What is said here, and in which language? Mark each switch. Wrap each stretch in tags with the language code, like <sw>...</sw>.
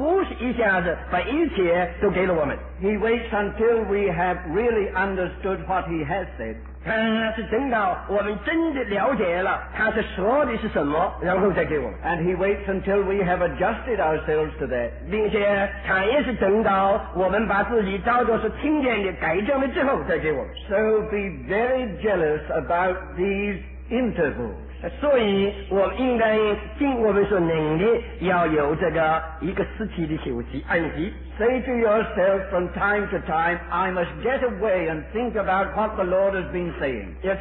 <zh>我的点是在这里说,主不是一下子把一切都给了我们。</zh> <en>He waits until we have really understood what he has said.</en> <zh>他是等到我们真的了解了他是说的是什么然后再给我们。</zh> <en>And he waits until we have adjusted ourselves to that.</en> <zh>并且他也是等到我们把自己当作是听见的改正了之后再给我们。</zh> <en>So be very jealous about these intervals.</en> <zh>所以我们应该尽我们所能的要有这个一个时期的休息安息。</zh> <en>Say to yourself from time to time, I must get away and think about what the Lord has been saying.</en>